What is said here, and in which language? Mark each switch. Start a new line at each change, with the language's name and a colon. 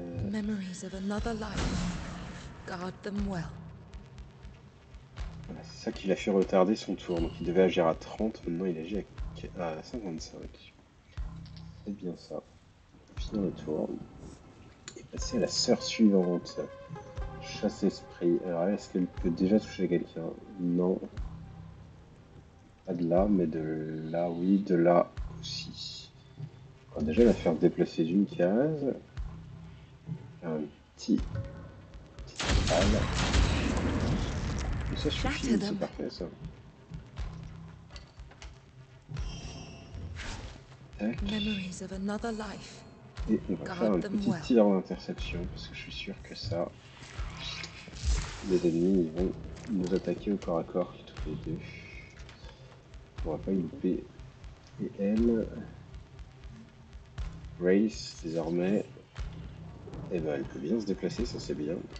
English: Memories of another life. Guard them well.
French: Voilà, c'est ça qui l'a fait retarder son tour. Donc il devait agir à 30, maintenant il agit à 55. C'est bien ça. Finir le tour. Et passer à la sœur suivante. Chasse esprit. Alors est-ce qu'elle peut déjà toucher quelqu'un? Non. Pas de là, mais de là, oui, de là aussi. Alors déjà, elle va faire déplacer d'une case. Un petit cheval. Ça suffit, c'est parfait ça.
English: Memories of another life.
French: Et on va faire un petit tir d'interception parce que je suis sûr que ça, les ennemis ils vont nous attaquer au corps à corps tous les deux. On pourra pas y louper. Et elle, Grace, désormais, eh ben, elle peut bien se déplacer, ça c'est bien.